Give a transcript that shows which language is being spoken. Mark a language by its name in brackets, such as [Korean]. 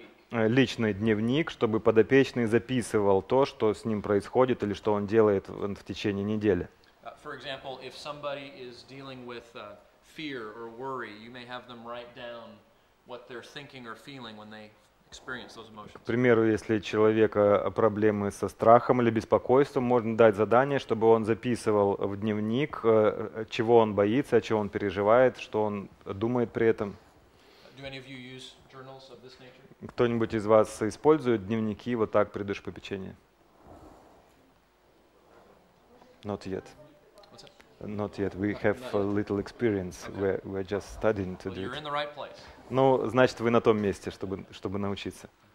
[Russian] Личный дневник, чтобы подопечный записывал то, что с ним происходит или что он делает в течение недели. [English] For example, if somebody is dealing with fear or worry, you may have them write down what they're thinking or feeling when they experience those emotions. [Russian] К примеру, если у человека проблемы со страхом или беспокойством, можно дать задание, чтобы он записывал в дневник, чего он боится, о чем он переживает, что он думает при этом. [English] Do any of you use journals of this nature? [Russian] Кто-нибудь из вас использует дневники вот так при душепопечении? [English] Not yet. Not yet. We have a little experience. Okay. We're just studying to well, do it. You're in the right place. [Russian] Ну, значит, вы на том месте, чтобы научиться.